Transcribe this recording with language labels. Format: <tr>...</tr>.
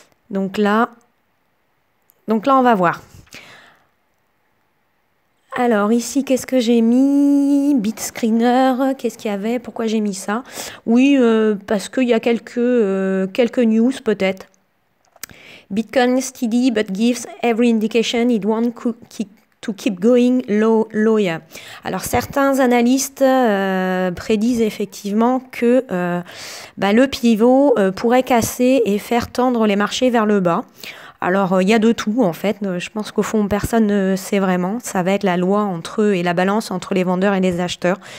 <fr>Donc là, on va voir. Alors ici, qu'est-ce que j'ai mis? Bitscreener, qu'est-ce qu'il y avait? Pourquoi j'ai mis ça? Oui, parce qu'il y a quelques news peut-être.</fr> <en>Bitcoin steady but gives every indication it wants to keep going lower.</en> <fr>Alors certains analystes prédisent effectivement que bah, le pivot pourrait casser et faire tendre les marchés vers le bas. Alors il y a de tout en fait. Je pense qu'au fond personne ne sait vraiment. Ça va être la loi entre eux et la balance entre les vendeurs et les acheteurs.</fr>